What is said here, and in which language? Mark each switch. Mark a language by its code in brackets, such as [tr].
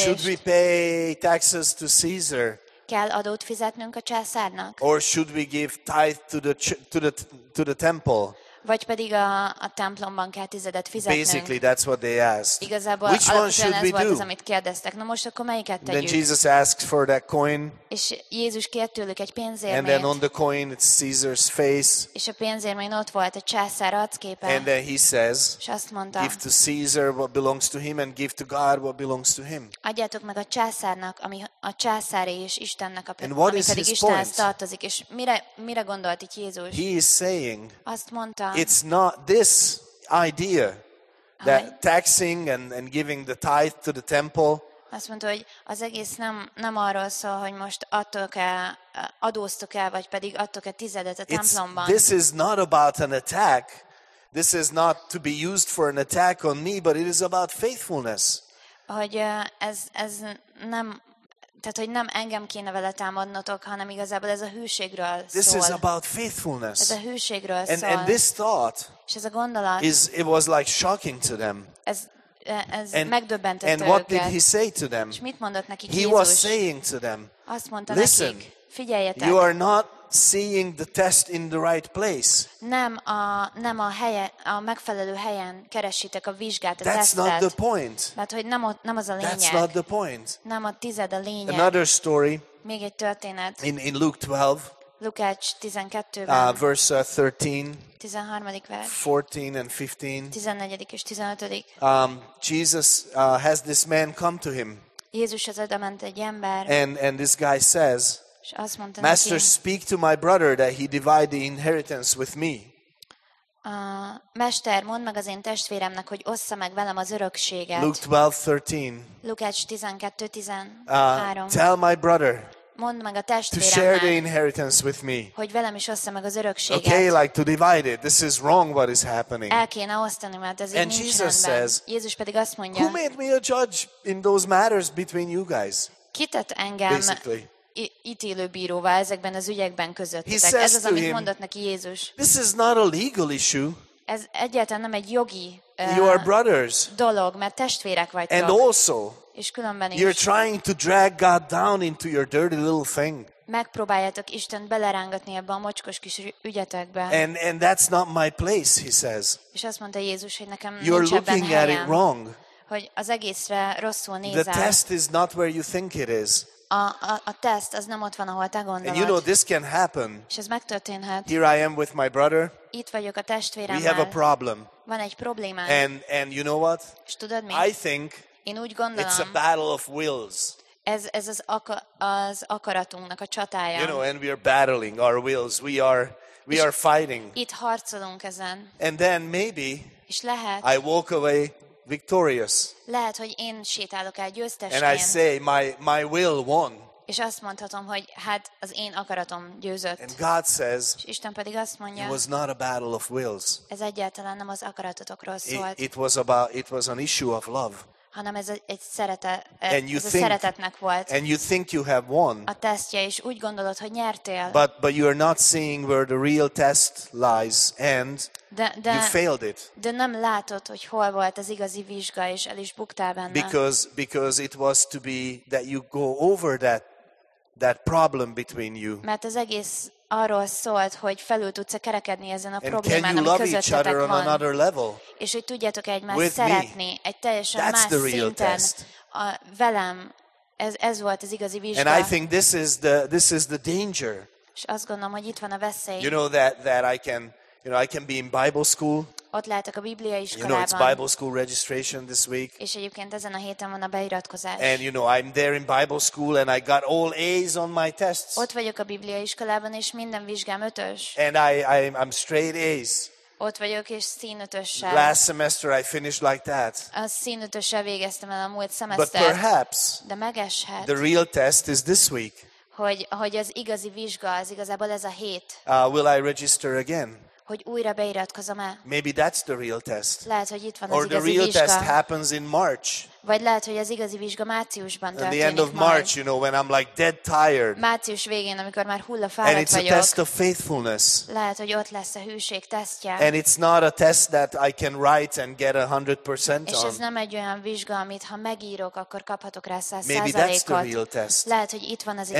[en] Should we pay taxes to Caesar? [hu] Kell adót fizetnünk a császárnak? [en] Or should we give tithe to the temple? [hu] Vagy pedig a templomban kell tizedet fizetnünk. [en] Basically, that's what they asked. [hu] Igazából [en] which one should we do? [hu] Az, amit kérdeztek. Na most akkor melyiket tegyük? [en] Then Jesus asked for that coin. [hu] És Jézus kért tőlük egy pénzérmét. [en] And then on the coin it's Caesar's face. [hu] És a pénzérmén ott volt a császár arcképe. [en] And then he says, [hu] és azt mondta, [en] give to Caesar what belongs to him and give to God what belongs to him. [hu] Adjátok meg a császárnak, ami a császári és Istennek a pénz, ami pedig Istenhez tartozik. És mire gondolt itt Jézus? [en] He is saying, [hu] azt mondta, [en] it's not this idea that taxing and giving the tithe to the temple. [hu] Azt mondta, hogy az egész nem arról szól, hogy most adóztok el, vagy pedig adtok el tizedet a templomban. [en] This is not about an attack. This is not to be used for an attack on me, but it is about faithfulness. [hu] Hogy ez nem, tehát hogy nem engem kéne vele támadnotok, hanem igazából ez a hűségről szól. [en] This is about faithfulness. [hu] Ez a hűségről [en] and, [hu] szól. [en] And this thought, [hu] és ez a gondolat, [en] it was like shocking to them. [hu] Ez megdöbbentette őket. [en] And what did he say to them? [hu] És mit mondott nekik [en] Jézus? He was saying to them, [hu] azt mondta nekik, figyeljetek. [en] You are not seeing the test in the right place. [hu] Nem a megfelelő helyen keresitek a vizsgát, a tesztet. [en] That's not the point. [hu] Mert hogy nem az a lényeg. [en] That's not the point. [hu] Nem a tized a lényeg. [en] Another story. [hu] Még egy történet. [en] In Luke 12. [hu] Lukács 12-ben. [en] Verse 13. [hu] 13. vers. [en] 14 and 15. [hu] 14. és 15. [en] Jesus has this man come to him. [hu] Jézushoz odament egy ember. [en] And this guy says, [hu] azt mondta neki, [en] Master, speak to my brother that he divide the inheritance with me. [hu] Mester, mondd meg az én testvéremnek, hogy ossza meg velem az örökséget. [en] Luke 12:13. [hu] Lukács 12:13. [en] Tell my brother. [hu] Mondd meg a testvéremnek. [en] To share the inheritance with me. [hu] Hogy velem is ossza meg az örökséget. [en] Okay, like to divide it. This is wrong what is happening. [hu] El kéne osztani, mert ez így nincs rendben. Jézus pedig azt mondja. [en] Who made me a judge in those matters between you guys? [hu] Kitett engem. [en] Basically. [hu] Ítélő bíróvá ezekben az ügyekben közöttetek. Ez az, amit mondott neki Jézus. [en] This is not a legal issue. [hu] Ez egyáltalán nem egy jogi [en] you are brothers. [hu] Dolog, mert testvérek vagytok. [en] And also, [hu] és különben is. [en] You're trying to drag God down into your dirty little thing. [hu] Megpróbáljátok Istent belerángatni ebbe a mocskos kis ügyetekbe. [en] And that's not my place, he says. [hu] És azt mondta Jézus, hogy nekem [en] you're [hu] nincs ebben helyem. [en] At it wrong. [hu] Hogy az egészre rosszul nézel. [en] The test is not where you think it is. [hu] A teszt az nem ott van, ahol te gondolod. [en] And you know this can happen. [hu] És ez megtörténhet. [en] Here I am with my brother. [hu] Itt vagyok a testvéremmel. [en] We have a problem. [hu] Van egy problémánk. [en] And you know what? [hu] És tudod mi? [en] I think [hu] én úgy gondolom, [en] it's a battle of wills. [hu] Ez az akaratunknak a csatája. [en] You know, and we are battling our wills. We are fighting. [hu] Itt harcolunk ezen. [en] And then maybe [hu] és lehet, [en] I walk away victorious. [hu] Lehet, hogy én sétálok el győztesként. [en] And I say my will won. [hu] És azt mondhatom, hogy hát az én akaratom győzött. [en] And God says, [hu] és Isten pedig azt mondja, [en] it was not a battle of wills. [hu] Ez egyáltalán nem az akaratotokról szólt. [en] It was an issue of love. [hu] Hanem ez egy szeretetnek volt. [en] And you think you have won. [hu] A tesztje, és úgy gondolod, hogy nyertél. [en] But you are not seeing where the real test lies and [hu] de [en] you failed it. [hu] De nem látod, hogy hol volt az igazi vizsga, és el is buktál benne. [en] Because it was to be that you go over that problem between you. [hu] Mert az egész arról szólt, hogy felül tudsz-e kerekedni ezen a [en] and [hu] problémán, ami közöttetek van. És hogy tudjátok egymást szeretni, [en] me, [hu] egy teljesen más szinten velem. Ez volt az igazi vizsga. [en] And I think this is the danger. [hu] És azt gondolom, hogy itt van a veszély. [en] You know that I can, you know, I can be in Bible school. [hu] Ott lehetek a Biblia iskolában. [en] You know, it's Bible school registration this week. [hu] És egyébként ezen a héten van a beiratkozás. [en] And you know, I'm there in Bible school and I got all A's on my tests. [hu] Ott vagyok a Biblia iskolában és minden vizsgám ötös. [en] And I'm straight A's. [hu] Ott vagyok és színötössel. [en] Last semester I finished like that. [hu] A színötössel végeztem el a múlt szemesztert. [en] But perhaps. [hu] De megeshet. [en] The real test is this week. [hu] Hogy az igazi vizsga az igazából ez a hét. [en] Will I register again? [hu] Hogy újra beiratkozom-e. [en] Maybe that's the real test. [hu] Lehet, hogy itt van [en] or [hu] az igazi [en] the real [hu] vizsga. [en] Test happens in March. [hu] Vagy lehet, hogy az igazi vizsga márciusban történik. [en] At the end of [hu] majd. [en] March, you know, when I'm like dead tired. [hu] Március végén, amikor már hull a fáradt vagyok. [en] And it's [hu] vagyok, [en] a test of faithfulness. [hu] Lehet, hogy ott lesz a hűség tesztje. [en] And it's not a test that I can write and get 100% on. [hu] És ez nem egy olyan vizsga, amit ha megírok, akkor kaphatok rá 100%-ot. [en] Maybe that's the real test. [hu] Lehet, hogy itt van az igazi